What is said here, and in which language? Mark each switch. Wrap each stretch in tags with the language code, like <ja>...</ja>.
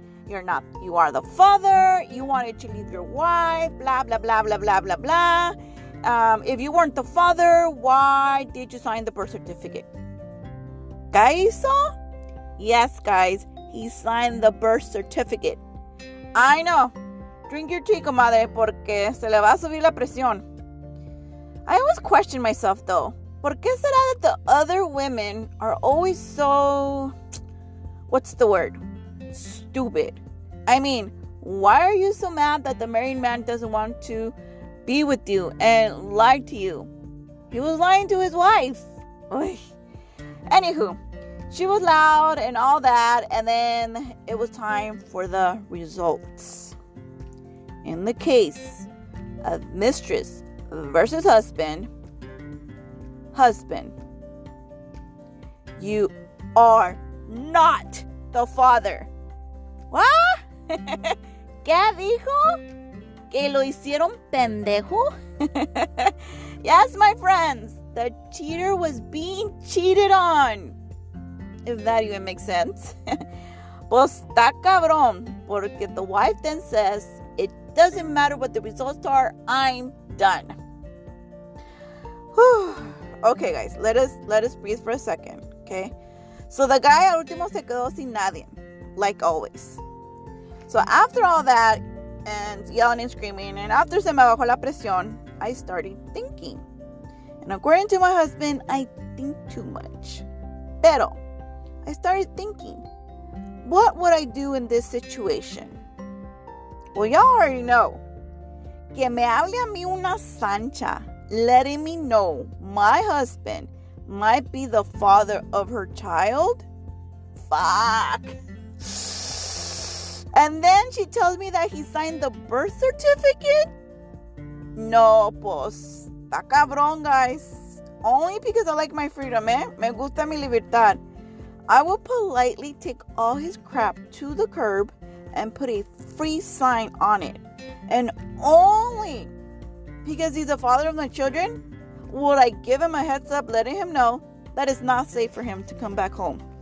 <en>You are the father. You wanted to leave your wife. Blah, blah, blah, blah, blah, blah, blah. If you weren't the father, why did you sign the birth certificate? ¿Caíso? Yes, guys. He signed the birth certificate. I know. Drink your tea,</en> <es>comadre, porque se le va a subir la presión.</es> <en>I always question myself, though.</en> <es>¿Por qué será</es> <en>that the other women are always so... What's the word? Stupid. I mean, why are you so mad that the married man doesn't want to be with you and lie to you? He was lying to his wife. Uy. Anywho, she was loud and all that, and then it was time for the results. In the case of mistress versus husband, you are not the father. What?</en> <es>¿Qué dijo? ¿Que lo hicieron pendejo?</es> <en>Yes, my friends. The cheater was being cheated on. If that even makes sense.</en> <es>Pues está cabrón. Porque</es> <en>the wife then says, it doesn't matter what the results are, I'm done. Whew. Okay, guys. Let us breathe for a second. Okay? So the guy</en> <es>al último se quedó sin nadie.</es> <en>Like always. So after all that, and yelling and screaming, and after</en> <es>se me bajó la presión,</es> <en>I started thinking. And according to my husband, I think too much.</en> <es>Pero,</es> <en>I started thinking, what would I do in this situation? Well, y'all already know.</en> <es>Que me hable a mí una sancha,</es> <en>letting me know my husband might be the father of her child? Fuck. And then she tells me that he signed the birth certificate?</en> <es>No, pues, está cabrón, guys.</es> <en>Only because I like my freedom, eh?</en> <es>Me gusta mi libertad.</es> <en>I will politely take all his crap to the curb and put a free sign on it. And only because he's the father of my children would I give him a heads up letting him know that it's not safe for him to come back home.</en>